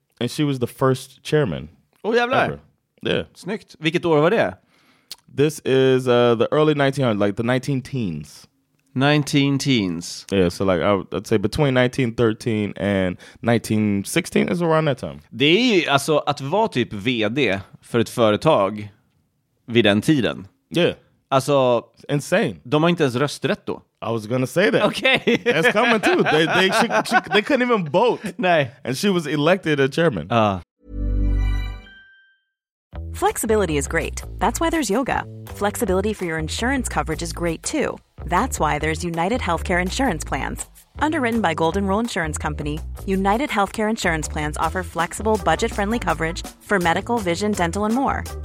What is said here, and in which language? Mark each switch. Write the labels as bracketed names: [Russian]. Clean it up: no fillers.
[English] And she was the first chairman. [Swedish] Oh, jävlar. [English] Ever. Yeah. [Swedish] Snyggt. Vilket år var det? [English] This is the early 1900s, like the 19-teens. 19-teens. Yeah, so like I'd say between 1913 and 1916 is around that time. [Swedish] Det är ju, alltså, att vara typ vd för ett företag vid den tiden. [English] Yeah. [Swedish] Alltså, [English] insane. [Swedish] De har inte ens rösträtt då. [English] I was gonna say that. Okay. That's coming too. They couldn't even vote. [Swedish] Nej. [English] And she was elected a chairman. Flexibility is great. That's why there's yoga. Flexibility for your insurance coverage is great too. That's why there's United Healthcare Insurance Plans. Underwritten by Golden Rule Insurance Company, United Healthcare Insurance Plans offer flexible, budget-friendly coverage for medical, vision, dental, and more.